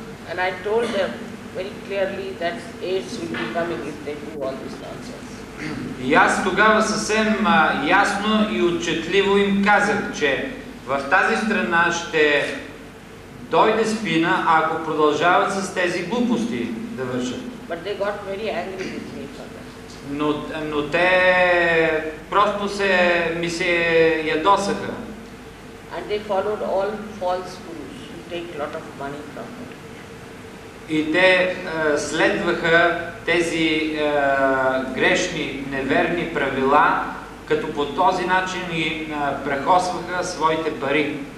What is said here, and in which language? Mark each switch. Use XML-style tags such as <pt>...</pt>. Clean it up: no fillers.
<en>And I told them very clearly that AIDS will be coming if they do all this nonsense.</en> <bg>И аз тогава съвсем ясно и отчетливо им казах, че в тази страна ще дойде спина, ако продължават с тези глупости да вършат.</bg> <en>But they got very angry with me.</en> <bg>Но те просто ми се ядосаха.</bg> <en>And they followed all false gurus who take a lot of money from them.</en> <bg>И те следваха тези грешни, неверни правила, като по този начин и прахосваха своите пари.</bg>